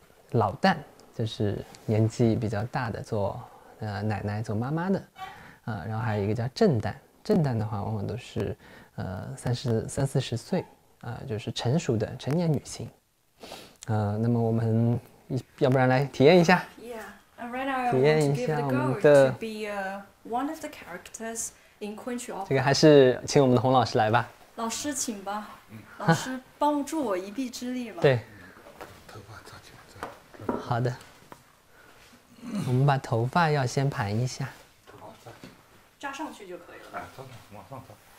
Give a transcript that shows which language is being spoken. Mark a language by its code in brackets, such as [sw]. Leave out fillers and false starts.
[zh] 老旦就是年纪比较大的做奶奶做妈妈的然后还有一个叫正旦正旦的话往往都是三四十岁就是成熟的成年女性那么我们要不然来体验一下 [en] Yeah, right now I want to give the girl to be one of the characters in Kunqu opera [zh] 这个还是请我们的洪老师来吧老师请吧老师帮助我一臂之力吧对头发扎起来好的我们把头发要先盘一下扎上去就可以了扎上往上扎